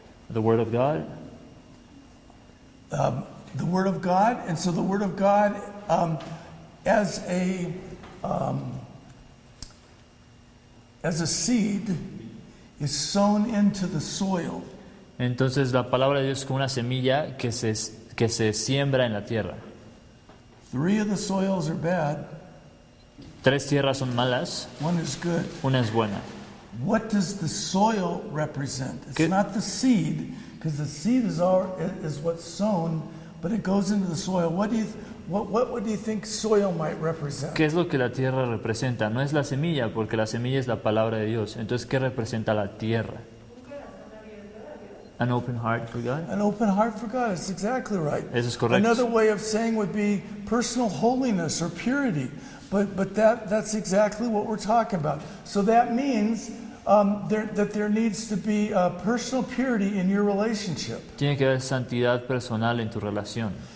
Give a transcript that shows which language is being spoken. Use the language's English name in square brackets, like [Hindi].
[English] The word of God. The word of God, and so the word of God, as a seed, is sown into the soil. [Spanish] Entonces la palabra de Dios es como una semilla que se siembra en la tierra. [English] Three of the soils are bad. [Spanish] Tres tierras son malas. [English] One is good. [Spanish] Una es buena. [English] What does the soil represent? It's not the seed, because the seed is what's sown, but it goes into the soil. What do you think soil might represent? [Spanish] ¿Qué es lo que la tierra representa? No es la semilla, porque la semilla es la palabra de Dios. Entonces, ¿qué representa la tierra? [English] An open heart for God. An open heart for God. That's exactly right. [Spanish] Eso es correcto. [English] Another way of saying would be personal holiness or purity. But that's exactly what we're talking about. So that means there needs to be a personal purity in your relationship. [Spanish] Tiene que haber santidad personal en tu relación.